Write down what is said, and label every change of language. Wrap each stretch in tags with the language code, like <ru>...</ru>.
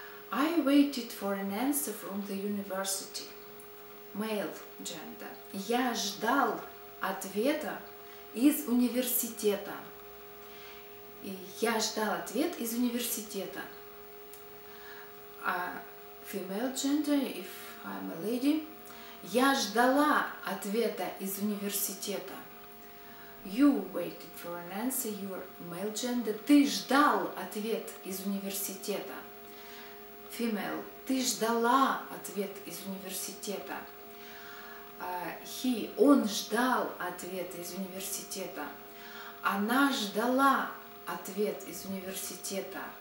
<en>I waited for an answer from the university. Male gender.</en> <ru>Я ждал ответа из университета. Я ждал ответ из университета.</ru> <en>Female gender, if I'm a lady.</en> <ru>Я ждала ответа из университета.</ru> <en>You waited for an answer, you're male gender.</en> <ru>Ты ждал ответ из университета. Female, ты ждала ответ из университета. He, он ждал ответа из университета. Она ждала ответ из университета.</ru>